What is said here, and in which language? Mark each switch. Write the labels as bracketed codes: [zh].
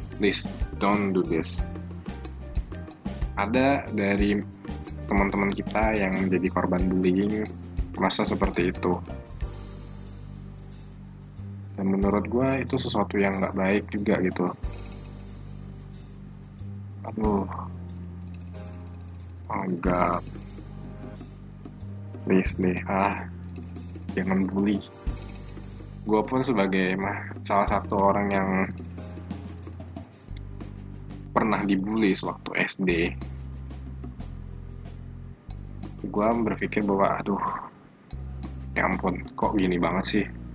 [en] Please don't do this. [id] Ada dari teman-teman kita yang jadi korban bullying masa seperti itu. Dan menurut gue itu sesuatu yang gak baik juga gitu. Agak please deh, jangan bully. Gue pun sebagai salah satu orang yang pernah dibully sewaktu SD, gue berpikir bahwa aduh, ya ampun, kok gini banget sih.